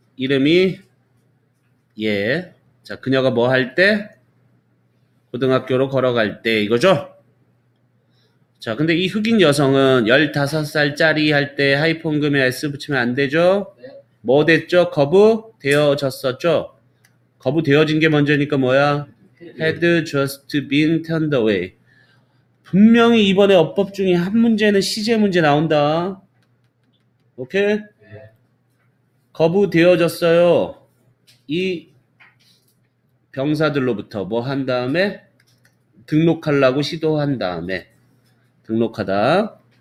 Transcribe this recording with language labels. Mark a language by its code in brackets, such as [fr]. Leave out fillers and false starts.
[ko] 이름이 예. 자, 그녀가 뭐 할 때? 고등학교로 걸어갈 때 이거죠? 자, 근데 이 흑인 여성은 15살짜리 할 때 하이폰금에 S 붙이면 안 되죠? 뭐 됐죠? 거부되어졌었죠? 거부되어진 게 먼저니까 뭐야? [en] Had just been turned away. [ko] 분명히 이번에 어법 중에 한 문제는 시제 문제 나온다. 오케이? 거부되어졌어요. 이 병사들로부터 뭐 한 다음에 등록하려고 시도한 다음에 등록하다.